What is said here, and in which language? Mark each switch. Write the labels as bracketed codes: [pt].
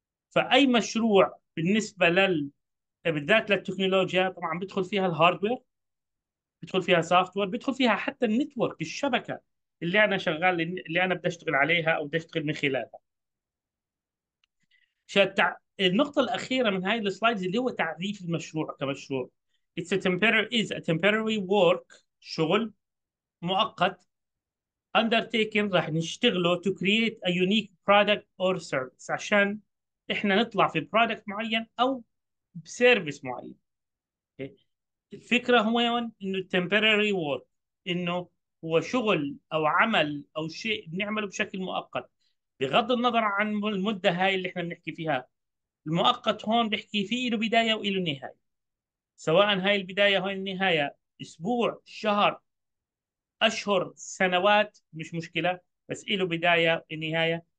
[ar] فاي مشروع بالنسبه بالذات للتكنولوجيا طبعا بيدخل فيها الهاردوير، بيدخل فيها سوفت وير، بيدخل فيها حتى النتورك، الشبكه اللي انا بدي اشتغل عليها او بدي اشتغل من خلالها. النقطة الأخيرة من هاي السلايدز اللي هو تعريف المشروع كمشروع. [en] It's a temporary is a temporary work [ar] شغل مؤقت [en] undertaken [ar] راح نشتغله [en] to create a unique product or service [ar] عشان إحنا نطلع في product معين أو بسيرفيس معين. [en] Okay. [ar] الفكرة هو إنه [en] temporary work [ar] إنه هو شغل أو عمل أو شيء بنعمله بشكل مؤقت بغض النظر عن المدة هاي اللي إحنا بنحكي فيها. المؤقت هون بيحكي فيه له بداية وله نهاية، سواء هاي البداية هاي النهاية أسبوع شهر أشهر سنوات مش مشكلة، بس له بداية ونهاية.